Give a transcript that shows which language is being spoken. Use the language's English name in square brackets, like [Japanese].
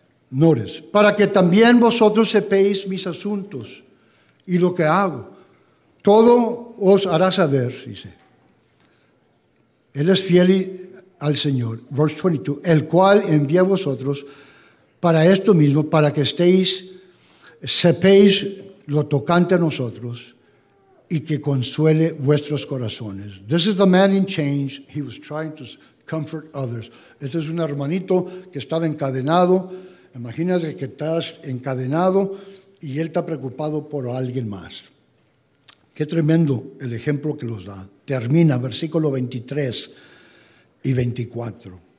[Spanish] Notice, para que también vosotros sepáis mis asuntos y lo que hago, todo os hará saber, dice. Él es fiel al Señor, [English] verse 22, [Spanish] el cual envía a vosotros para esto mismo, para que estéis, sepáis lo tocante a nosotros y que consuele vuestros corazones. [English] This is the man in chains, he was trying to comfort others. [Spanish] Este es un hermanito que estaba encadenado, imagínate que estás encadenado y él está preocupado por alguien más. Qué tremendo el ejemplo que nos da. Termina versículo 23 y 24.